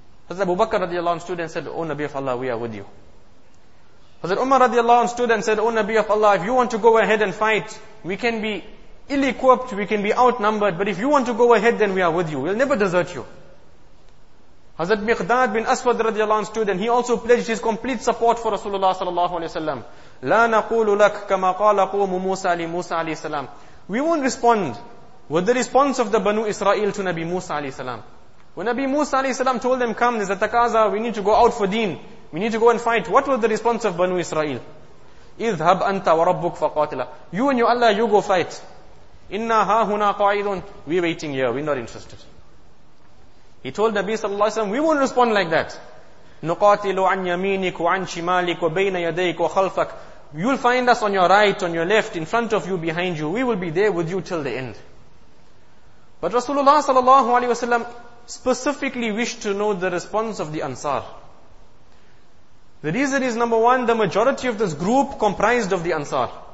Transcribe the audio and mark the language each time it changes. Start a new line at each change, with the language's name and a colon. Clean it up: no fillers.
English: Hazrat Abu Bakr radiallahu anhu stood and said, O Nabi of Allah, we are with you. Hazrat Umar radiallahu anhu stood and said, O Nabi of Allah, if you want to go ahead and fight, we can be ill-equipped, we can be outnumbered, but if you want to go ahead, then we are with you. We'll never desert you. Hazrat Miqdad bin Aswad radiallahu anhu stood and he also pledged his complete support for Rasulullah sallallahu alayhi wa sallam.
Arabic: لا نقول لك كما قال قوم موسى لموسى عليه السلام.
English: We won't respond with the response of the Banu Israel to Nabi Musa alayhi wa sallam. When Nabi Musa alayhi salam told them, come, there's a taqaza, we need to go out for deen. We need to go and fight. What was the response of Banu Israel?
Arabic: اذهب أنت وربك فقاتلا.
English: You and your Allah, you go fight.
Arabic: Inna hahuna qa'idun.
English: We're waiting here, we're not interested. He told Nabi sallallahu alayhi salam, we won't respond like that.
Arabic: نقاتلوا عن يمينك وعن شمالك وبين يديك وخلفك.
English: You'll find us on your right, on your left, in front of you, behind you. We will be there with you till the end. But Rasulullah sallallahu alayhi wasallam specifically wished to know the response of the Ansar. The reason is, number one, the majority of this group comprised of the Ansar.